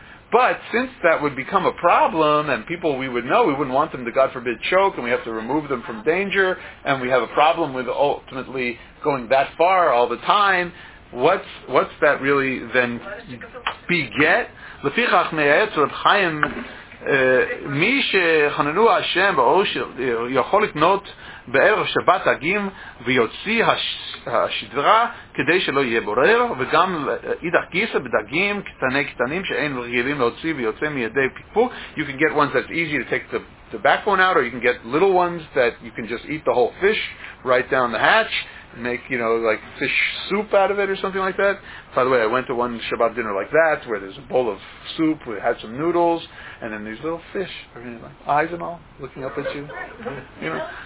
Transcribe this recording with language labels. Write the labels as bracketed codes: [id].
[en] But since that would become a problem, and people we would know, we wouldn't want them to, God forbid, choke, and we have to remove them from danger, and we have a problem with ultimately going that far all the time, what's that really then beget? [he] L'fichach me'etz [en] Reb Chaim [he] מי שחננו השם באושר יכול לקנות בערב שבת דגים ויוציא השדרה כדי שלא יהיה בורר, וגם אידך גיסא בדגים קטני קטנים שאין רגילים להוציא ויוצא מידי פיקפוק. [en] You can get ones that's easy to take the backbone out, or you can get little ones that you can just eat the whole fish right down the hatch, make, you know, like fish soup out of it or something like that. By the way, I went to one Shabbat dinner like that, where there's a bowl of soup, we had some noodles, and then these little fish, I mean, like eyes and all, looking up at you. You know?